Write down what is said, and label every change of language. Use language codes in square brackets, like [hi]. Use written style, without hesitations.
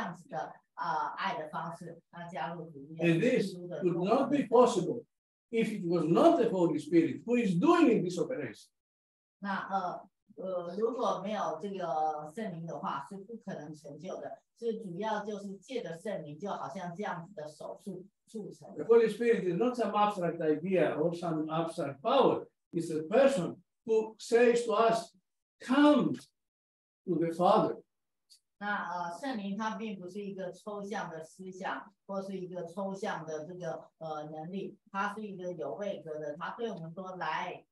[zh] 然后我们现在新的生存的方式跟就是人类的生存的方式不一样，是我们自己做决定来选择这样子的爱的方式，那加入主耶稣。 [en] And this would not be possible if it was not the Holy Spirit who is doing this operation. [zh] 那如果没有这个圣灵的话，是不可能成就的。是主要就是借着圣灵，就好像这样子的手术促成。 [en] The Holy Spirit is not some abstract idea or some abstract power. It's a person who says to us, "Come to the Father." [zh] 那圣灵它并不是一个抽象的思想，或是一个抽象的这个能力，它是一个有位格的，它对我们说来。